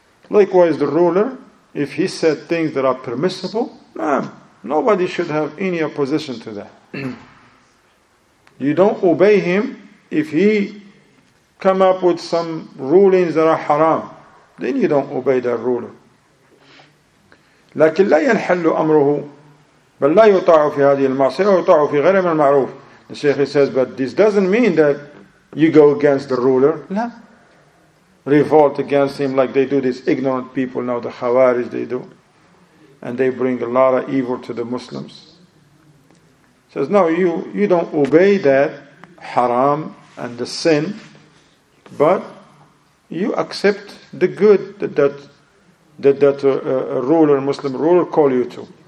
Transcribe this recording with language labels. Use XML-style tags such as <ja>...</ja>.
<en>Likewise, the ruler, if he said things that are permissible, nobody should have any opposition to that. You don't obey him if he come up with some rulings that are haram, then you don't obey that ruler.</en> <ar>لكن لا ينحل أمره بل لا يطاع في هذه المعصية ويطاع في غير من المعروف.</ar> <en>The Sheikh says, but this doesn't mean that you go against the ruler.</en> <ar>لا.</ar> <en>Revolt against him like they do, these ignorant people now, the Khawarij they do. And they bring a lot of evil to the Muslims. Says, no, you don't obey that haram and the sin, but you accept the good that a ruler, Muslim ruler, call you to.</en>